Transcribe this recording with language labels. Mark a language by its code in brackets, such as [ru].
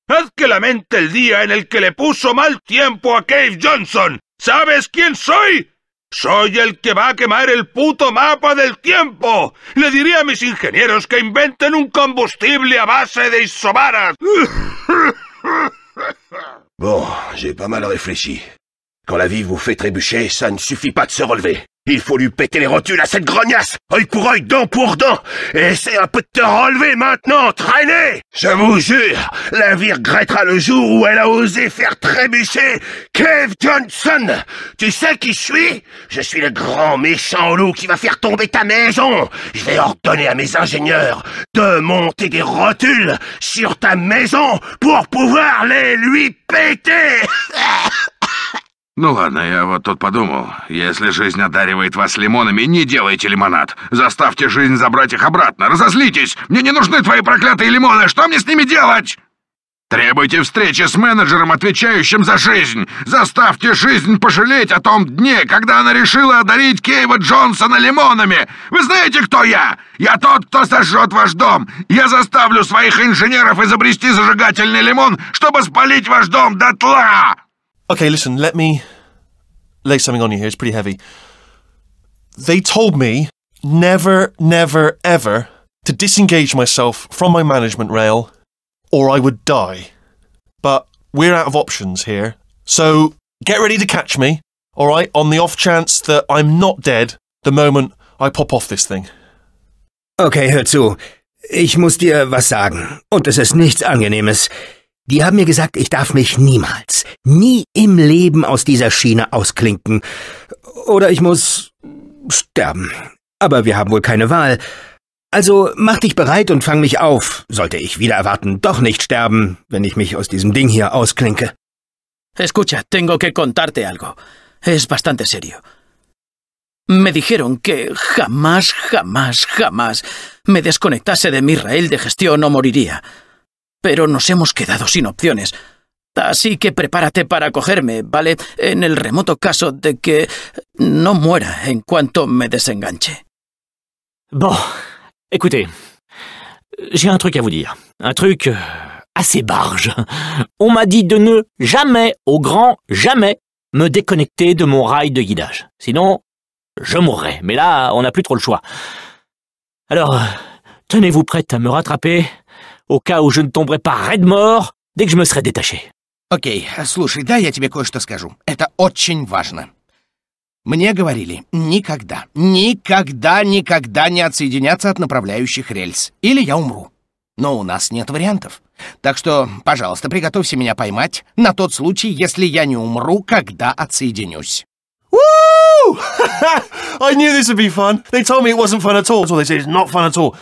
[es] ¡Haz que lamente el día en el que le puso mal tiempo a Cave Johnson! ¿Sabes quién soy? ¡Soy el que va a quemar el puto mapa del tiempo! ¡Le diré a mis ingenieros que inventen un combustible a base de isobaras! [fr] Bon, j'ai pas mal réfléchi. Quand la vie vous fait trébucher, ça ne suffit pas de se relever. Il faut lui péter les rotules à cette grognasse, œil pour œil, dent pour dent. Et essaie un peu de te relever maintenant, traîner. Je vous jure, la vie regrettera le jour où elle a osé faire trébucher Cave Johnson. Tu sais qui je suis? Je suis le grand méchant loup qui va faire tomber ta maison. Je vais ordonner à mes ingénieurs de monter des rotules sur ta maison pour pouvoir les lui péter. [ru] Ну ладно, я вот тут подумал. Если жизнь одаривает вас лимонами, не делайте лимонад. Заставьте жизнь забрать их обратно. Разозлитесь! Мне не нужны твои проклятые лимоны! Что мне с ними делать? Требуйте встречи с менеджером, отвечающим за жизнь. Заставьте жизнь пожалеть о том дне, когда она решила одарить Кейва Джонсона лимонами. Вы знаете, кто я? Я тот, кто сожжет ваш дом. Я заставлю своих инженеров изобрести зажигательный лимон, чтобы спалить ваш дом дотла. [en] Okay, listen, let me lay something on you here. It's pretty heavy. They told me never, never, ever to disengage myself from my management rail or I would die. But we're out of options here. So get ready to catch me, all right, on the off chance that I'm not dead the moment I pop off this thing. [de] Okay, hör zu. Ich muss dir was sagen. Und es ist nichts Angenehmes. Die haben mir gesagt, ich darf mich niemals, nie im Leben aus dieser Schiene ausklinken. Oder ich muss sterben. Aber wir haben wohl keine Wahl. Also mach dich bereit und fang mich auf, sollte ich wieder erwarten, doch nicht sterben, wenn ich mich aus diesem Ding hier ausklinke. [es] Escucha, tengo que contarte algo. Es bastante serio. Me dijeron que jamás, jamás, jamás me desconectase de mi rail de gestión o moriría. Pero nos hemos quedado sin opciones. Así que prepárate para cogerme, ¿vale? En el remoto caso de que no muera en cuanto me desenganche. [fr] Bon, écoutez. J'ai un truc à vous dire. Un truc assez barge. On m'a dit de ne jamais, au grand jamais, me déconnecter de mon rail de guidage. Sinon, je mourrai. Mais là, on n'a plus trop le choix. Alors, tenez-vous prête à me rattraper au cas où je ne tomberai pas raide mort dès que je me serai détaché. [ru] Ok, слушай, дай я тебе кое-что скажу. Это очень важно. Мне говорили, никогда, никогда, никогда не отсоединяться от направляющих рельс. Или я умру. Но у нас нет вариантов. Так что, пожалуйста, приготовься меня поймать на тот случай, если я не умру, когда отсоединюсь. [en] Woo! I knew this would be fun. They told me it wasn't fun at all. That's all they say, it's not fun at all.